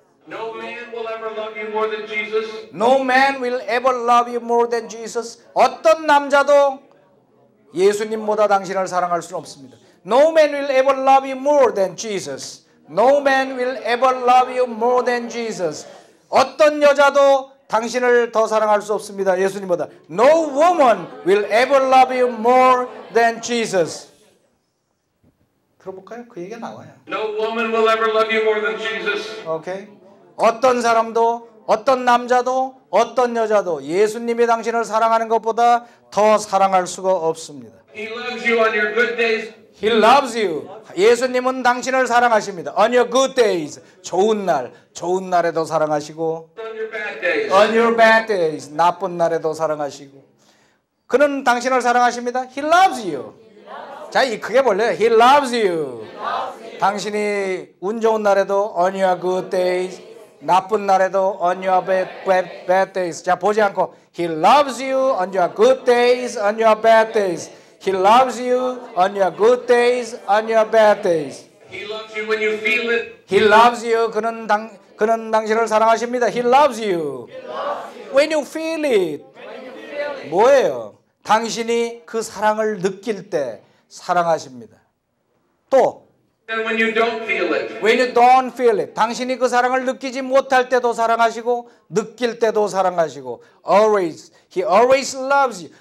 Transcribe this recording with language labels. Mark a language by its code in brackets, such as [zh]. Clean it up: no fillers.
[en] No man will ever love you more than Jesus. No man will ever love you more than Jesus. [ko] 어떤 남자도 예수님보다 당신을 사랑할 수는 없습니다. [en] No man will ever love you more than Jesus. No man will ever love you more than Jesus. [ko] 어떤 여자도 당신을 더 사랑할 수 없습니다. 예수님보다. [en] No woman will ever love you more than Jesus. [ko] 들어볼까요? 그 얘기가 나와요. [en] No woman will ever love you more than Jesus. Okay. [ko] 어떤 사람도, 어떤 남자도, 어떤 여자도 예수님이 당신을 사랑하는 것보다 더 사랑할 수가 없습니다. [en] He loves you on your good days. He loves you. [ko] 예수님은 당신을 사랑하십니다. [en] On your good days. [ko] 좋은 날에도 사랑하시고. [en] On your bad days. On your bad days. [ko] 나쁜 날에도 사랑하시고. 그는 당신을 사랑하십니다. [en] He loves you. [ko] 자, 이 크게 볼래요. [en] He loves you. [ko] 당신이 운 좋은 날에도 [en] on your good days, [ko] 나쁜 날에도 [en] on your bad days. [ko] 자, 보지 않고 [en] He loves you on your good days, on your bad days. He loves you on your good days, on your bad days. He loves you when you feel it. He loves you. [ko] 그는 당신을 사랑하십니다. [en] He loves you. When you feel it. [ko] 뭐예요? 당신이 그 사랑을 느낄 때 사랑하십니다. 또 [en] when you don't feel it. When you don't feel it. [ko] 당신이 그 사랑을 느끼지 못할 때도 사랑하시고 느낄 때도 사랑하시고 [en] always he always loves you.